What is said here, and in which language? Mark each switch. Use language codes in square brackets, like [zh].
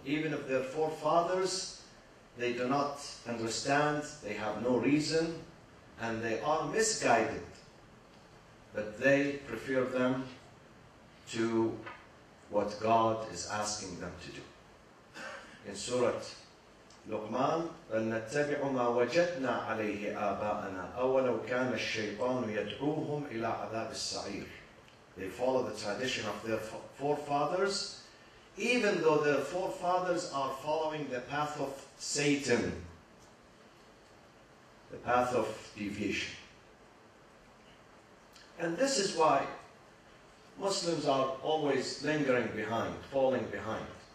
[en] Even if their forefathers, they do not understand, they have no reason, and they are misguided. But they prefer them to what God is asking them to do. In Surah Luqman, [ar] فَلْنَتَّبِعُ مَا وَجَدْنَا عَلَيْهِ آبَاءَنَا أَوَلَوْ كَانَ الشَّيْطَانُ يَدْعُوهُمْ إِلَىٰ عَذَابِ السَّعِيرِ. [en] They follow the tradition of their forefathers, even though their forefathers are following the path of Satan, the path of deviation. And this is why Muslims are always lingering behind, falling behind.